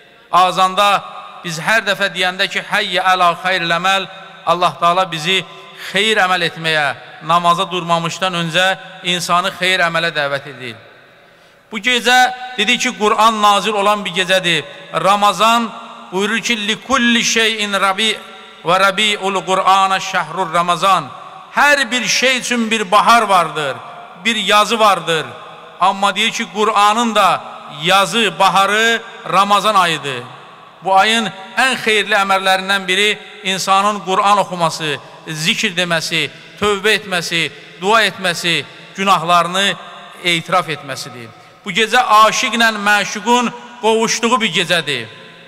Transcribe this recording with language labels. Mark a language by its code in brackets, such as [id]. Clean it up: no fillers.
[az] Azanda biz hər dəfə deyəndə ki, [ar] həyyə ələ xeyril əməl, [az] Allah Taala bizi xeyir əməl etməyə, namaza durmamışdan öncə insanı xeyir əmələ dəvət edir. Bu gecə dedi ki, Quran nazil olan bir gecədir. Ramazan buyurur ki, [ar] لِكُلِّ شَيْءٍ رَبِيْءٍ وَرَبِيْءُ الْقُرْآنَ شَهْرُ الرَّمَزَانِ [az] Hər bir şey üçün bir bahar vardır, bir yazı vardır. Amma deyir ki, Quranın da yazı, baharı Ramazan ayıdır. Bu ayın ən xeyirli əmərlərindən biri insanın Quran oxuması, zikir deməsi, tövbə etməsi, dua etməsi, günahlarını etiraf etməsidir. Bu gecə aşiqlə məşuqun qovuşduğu bir gecədir.